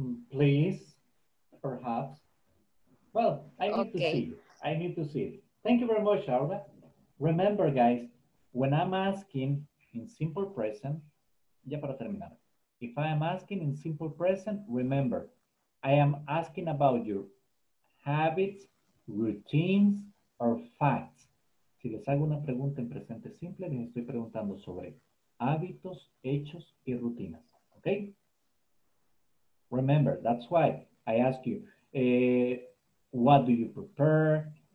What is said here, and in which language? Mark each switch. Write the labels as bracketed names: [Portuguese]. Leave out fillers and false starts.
[English] Please, perhaps. Well, I need okay. to see. I need to see. Thank you very much, Arba. Remember, guys, when I'm asking in simple present, [Spanish] ya para terminar. [English] If I am asking in simple present, remember, I am asking about your habits, routines, or facts. [Spanish] Si les hago una pregunta en presente simple, les estoy preguntando sobre hábitos, hechos, y rutinas. [English] Okay? Remember, that's why I ask you, what do you prepare?